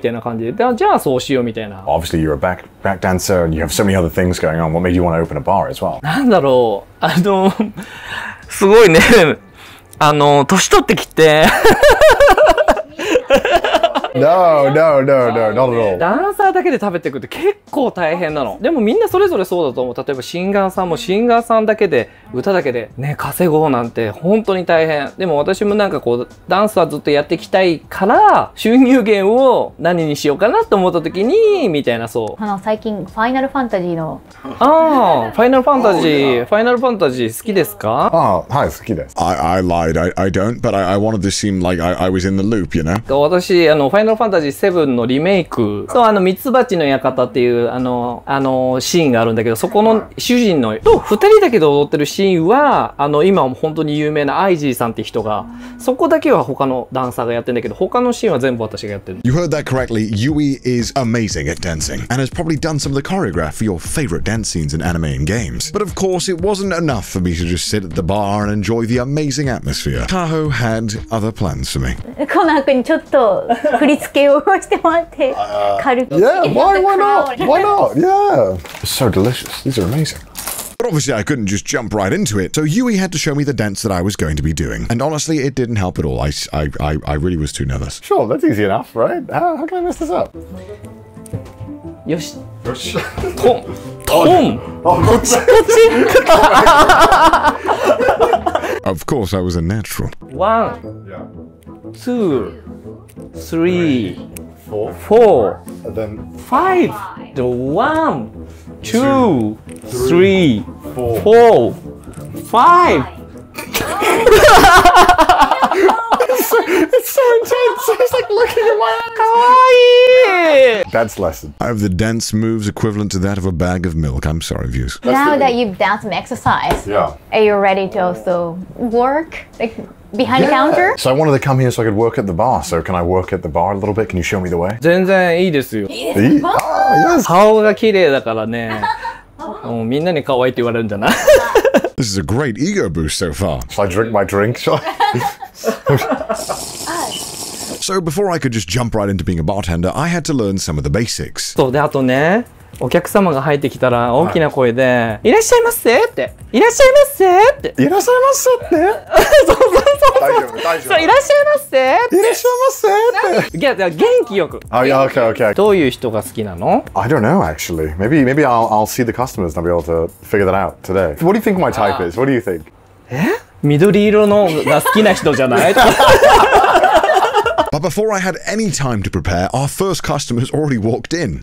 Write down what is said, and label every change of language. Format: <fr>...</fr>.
<ja>この番も4年前。4年前。そう、そんなにまだね。で、なんか2丁目って、あの、コンセプトを決めるお店が多いの。私って何なんだろうと思った時に、アニソン大好きだから、私、アニソンがすごい大好きで、だから、で、アニメ関係の仕事もそういえばしてるな、みたいな感じで、じゃあそうしよう、みたいな。Obviously,</ja> <en>you're a back dancer and you have so many other things going on. What made you want to open a bar as well?</en> <ja>なんだろう。あの、すごいね。あの、年取ってきて。</ja> <en>No, not at all.</en> <ja>ダンサーだけで食べていくって結構大変なの。でもみんなそれぞれそうだと思う。例えばシンガーさんもシンガーさんだけで歌だけでね、稼ごうなんて本当に大変。でも私もなんかこう、ダンサーずっとやっていきたいから収入源を何にしようかなと思った時に、みたいな、そう。あの、最近、ファイナルファンタジーの。ああ、ファイナルファンタジー、ファイナルファンタジー好きですか？ああ、はい、好きです。</ja> <en>I lied. I don't, but I wanted to seem like I was in the loop, you know?</en> <ja>で、私、あの、ファイナルナルファンタジー7のリメイク、そう、あのミツバチの館っていうあのシーンがあるんだけど、そこの主人のと2人だけで踊ってるシーンは、あの今本当に有名なアイジーさんって人が、そこだけは他のダンサーがやってるんだけど、他のシーンは全部私がやってる。</ja> <en>You heard that correctly. Yui is amazing at dancing and has probably done some of the choreograph for your favorite dance scenes in anime and games. But of course it wasn't enough for me to just sit at the bar and enjoy the amazing atmosphere. Kaho had other plans for me.</en> <ja>コナン君にちょっと振り付けをしてもらって軽く。</ja> <en>Yeah, why not? Yeah. So delicious. These are amazing. But obviously I couldn't just jump right into it, so Yui had to show me the dance that I was going to be doing. And honestly, it didn't help at all. I really was too nervous. Sure, that's easy enough, right? How can I mess this up? Yoshi. Yoshi. Tom. Tom. Oh, God. Of course, I was a natural. One. Yeah. Two. Three. Four. And then five. The one. Two. Three. Four. Five. It's so intense. It's like looking at my eyes.</en> <ja>Kawaii.</ja> <en>Dance lesson. I have the dance moves equivalent to that of a bag of milk. I'm sorry, viewers. Now that you've done some exercise, yeah. Are you ready to also work? Like,Behind the counter? So I wanted to come here so I could work at the bar. So can I work at the bar a little bit? Can you show me the way?</en> <ja>全然いいですよ。いい。あ、yes。顔が綺麗だからね。もうみんなに可愛いって言われるんじゃない</ja> <en>This is a great ego boost so far. Shall I drink my drink? Shall I? So before I could just jump right into being a bartender, I had to learn some of the basics.</en> <ja>そう、で、あとね、お客様が入ってきたら大きな声で、はい、いらっしゃいませって。いらっしゃいませって。いらっしゃいませって。そうそうそう。大丈夫。いらっしゃいませって。いらっしゃいませって。元気よく。あ、いや、OK、OK。どういう人が好きなの</ja> <en>?I don't know, actually. Maybe I'll see the customers and I'll be able to figure that out today. What do you think my type is? What do you think?</en> <ja>え? 緑色のが好きな人じゃない?</ja> <en>But before I had any time to prepare, our first customer has already walked in.</en>